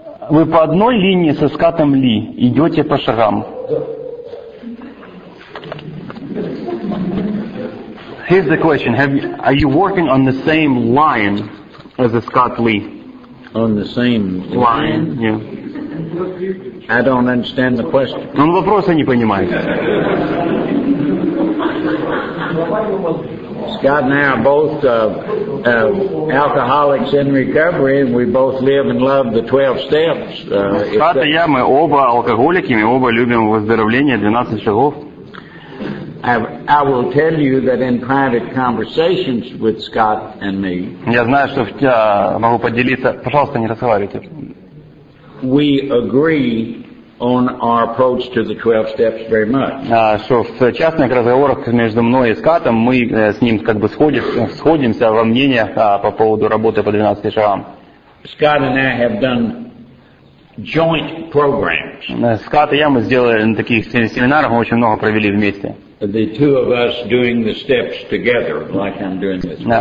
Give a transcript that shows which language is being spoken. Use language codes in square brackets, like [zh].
[ru] Вы по одной линии со скатом Ли идете по шагам. [en] Here's the question: Are you working on the same line as Scott Lee? On the same line? Yeah. I don't understand the question. [ru] Он вопроса не понимает. [en] Scott and I are both alcoholics in recovery, and we both live and love the 12 steps. Scott and I, [ru] мы оба алкоголики, мы оба любим выздоровление 12 шагов. [en] I will tell you that in private conversations with Scott and me. [ru] Я знаю, что могу поделиться. Пожалуйста, не разговаривайте. [en] We agree on our approach to the 12 steps very much. [ru] Что в частных разговорах между мной и Скоттом мы с ним как бы сходимся во мнениях по поводу работы по 12 шагам. [en] Scott and I have done joint programs. [ru] Скотт и я мы сделали на таких семинарах, мы очень много провели вместе. [en] The two of us doing the steps together, like I'm doing this.